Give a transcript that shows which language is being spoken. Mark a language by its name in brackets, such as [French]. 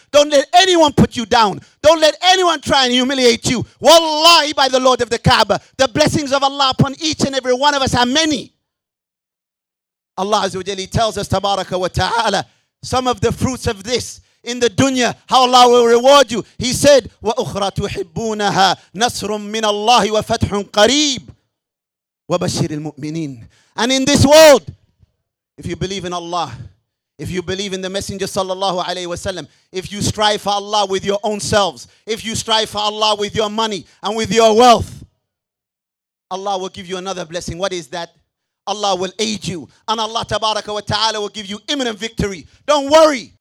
[English] Don't let anyone put you down. Don't let anyone try and humiliate you. Wallahi, by the Lord of the Kaaba, the blessings of Allah upon each and every one of us are many. Allah Azza wa Jalla tells us, Tabaraka wa Ta'ala, some of the fruits of this in the dunya, how Allah will reward you. [Arabic] He said, وَأُخْرَى تُحِبُّونَهَا نَصْرٌ مِّنَ اللَّهِ وَفَتْحٌ قَرِيبٌ وَبَشِّرِ الْمُؤْمِنِينَ. [English] And in this world, if you believe in Allah, if you believe in the Messenger sallallahu alayhi wasallam, if you strive for Allah with your own selves, if you strive for Allah with your money and with your wealth, Allah will give you another blessing. What is that? Allah will aid you. And Allah tabaraka wa ta'ala will give you imminent victory. Don't worry.